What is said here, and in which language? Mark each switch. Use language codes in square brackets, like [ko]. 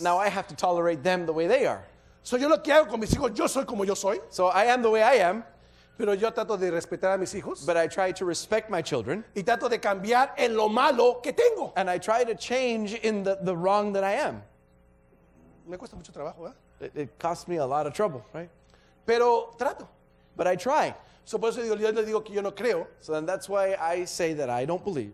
[en] Now I have to tolerate them the way they are. [es] So yo lo que hago con mis hijos, yo soy como yo soy. [en] So I am the way I am. [es] Pero yo trato de respetar a mis hijos. [en] But I try to respect my children. [es] Y trato de cambiar en lo malo que tengo. [en] And I try to change in the wrong that I am. [es] Me cuesta mucho trabajo, ¿eh? [en] It costs me a lot of trouble, right? [es] Pero trato. [en] But I try. [es] So, por eso digo, yo le digo que yo no creo. [en] So then that's why I say that I don't believe.